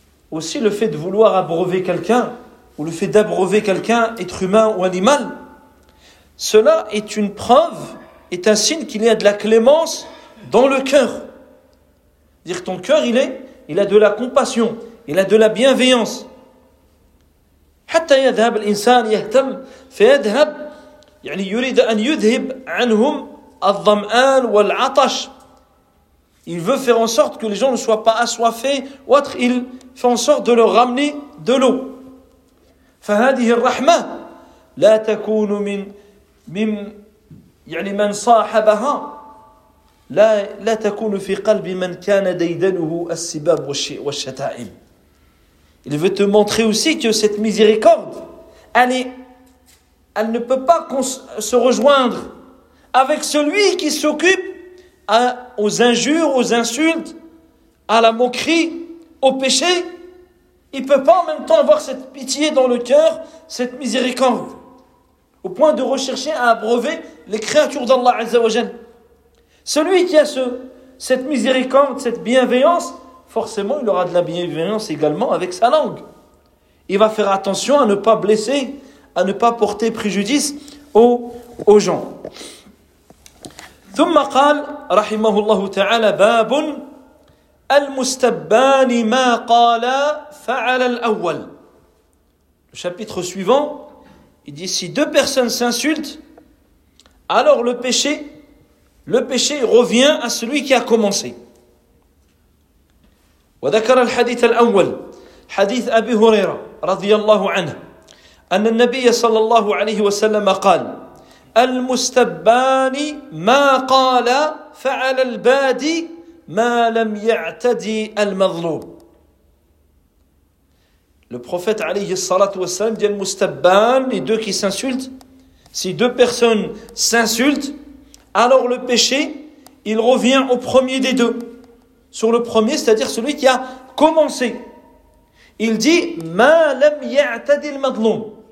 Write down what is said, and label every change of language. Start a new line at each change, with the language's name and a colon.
French: aussi le fait de vouloir abreuver quelqu'un ou le fait d'abreuver quelqu'un être humain ou animal cela est une preuve est un signe qu'il y a de la clémence dans le cœur. C'est-à-dire que ton cœur, il a de la compassion, il a de la bienveillance.
Arabic: حَتَّى يَذْهَبَ الْإِنسَانِ يَهْتَمْ فَيَذْهَبْ يعني يريد أن يذهب عنهم الضمآن والعطش.
French: Il veut faire en sorte que les gens ne soient pas assoiffés ou autre, il fait en sorte de leur ramener de l'eau.
Arabic: فَهَذِهِ الرَّحْمَةِ لَا تَكُونُ مِنْ يعني من صاحبها لا تكون في قلب من كان ديدنه السباب والشتائم.
French: Il veut te montrer aussi que cette miséricorde, elle ne peut pas se rejoindre avec celui qui s'occupe aux injures, aux insultes, à la moquerie, au péché. Il ne peut pas en même temps avoir cette pitié dans le cœur, cette miséricorde. Au point de rechercher à abreuver les créatures d'Allah Azza wa Jal. Celui qui a cette miséricorde, cette bienveillance, forcément il aura de la bienveillance également avec sa langue. Il va faire attention à ne pas blesser, à ne pas porter préjudice aux gens.
Arabic: ثم قال رحمه الله تعالى باب المستبان ما قال فعل الأول.
French: Le chapitre suivant, il dit, si deux personnes s'insultent, alors le péché revient à celui qui a commencé.
Arabic: وذكر الحديث الأول حديث أبي هريرة رضي الله عنه أن النبي صلى الله عليه وسلم قال المستبان ما قال فعل البادي ما لم يعتدي المظلوم.
French: Le prophète alayhi salatu wassalam dit al-mustabban, les deux qui s'insultent, si deux personnes s'insultent, alors le péché, il revient au premier des deux. Sur le premier, c'est-à-dire celui qui a commencé. Il dit
Arabic: ma lam ya'tadi al-madlum.